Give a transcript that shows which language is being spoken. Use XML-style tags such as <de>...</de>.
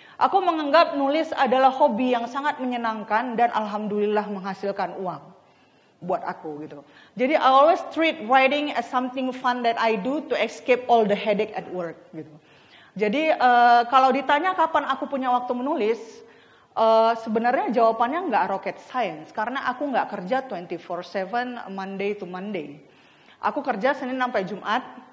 <id>Aku menganggap nulis adalah hobi yang sangat menyenangkan dan alhamdulillah menghasilkan uang buat aku gitu.</id> <en>Jadi I always treat writing as something fun that I do to escape all the headache at work gitu.</en> <id>Jadi kalau ditanya kapan aku punya waktu menulis, sebenarnya jawabannya enggak rocket science. Karena aku enggak kerja 24/7</id> <en>Monday to Monday.</en> <id>Aku kerja Senin sampai Jumat.</id>